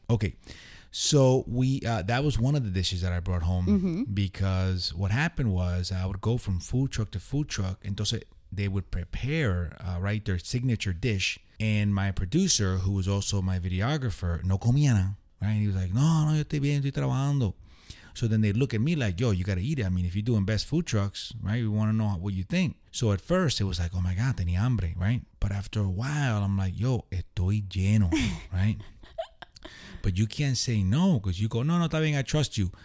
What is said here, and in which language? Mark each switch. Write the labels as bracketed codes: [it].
[en] Okay. So that was one of the dishes that I brought home because what happened was I would go from food truck to food truck. And [es] entonces [en] they would prepare, their signature dish. And my producer, who was also my videographer, [es] no comía nada, [en] right? He was like, [es] no, yo estoy bien, estoy trabajando. [en] So then they look at me like, yo, you got to eat it. I mean, if you're doing best food trucks, right? We want to know what you think. So at first it was like, oh my God, [es] tenía hambre, [en] right? But after a while, I'm like, yo, [es] estoy lleno, [en] right? But you can't say no because you go, [es] no, está bien, [en] I trust you.